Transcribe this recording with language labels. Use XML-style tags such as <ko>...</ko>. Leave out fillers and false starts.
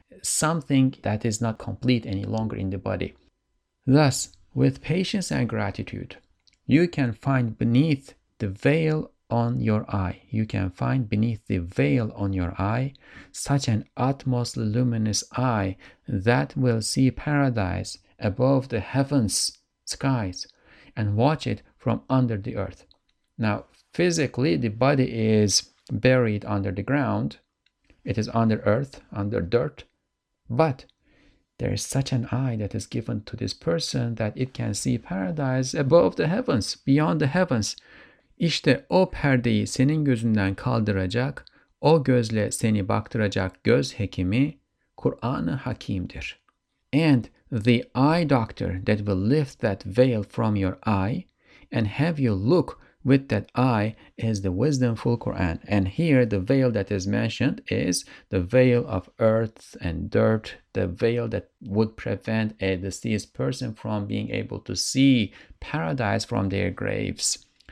<en>Something that is not complete any longer in the body. Thus, with patience and gratitude, you can find beneath the veil on your eye, you can find beneath the veil on your eye such an utmost luminous eye that will see paradise above the heavens, skies, and watch it from under the earth. Now, physically, the body is buried under the ground. It is under earth, under dirt. But there is such an eye that is given to this person that it can see paradise above the heavens, beyond the heavens.</en> <tr>İşte o perdeyi senin gözünden kaldıracak, o gözle seni baktıracak göz hekimi Kur'an-ı Hakim'dir.</tr> <en>And the eye doctor that will lift that veil from your eye and have you look with that eye is the wisdomful Quran. And here the veil that is mentioned is the veil of earth and dirt, the veil that would prevent a deceased person from being able to see paradise from their graves.</en>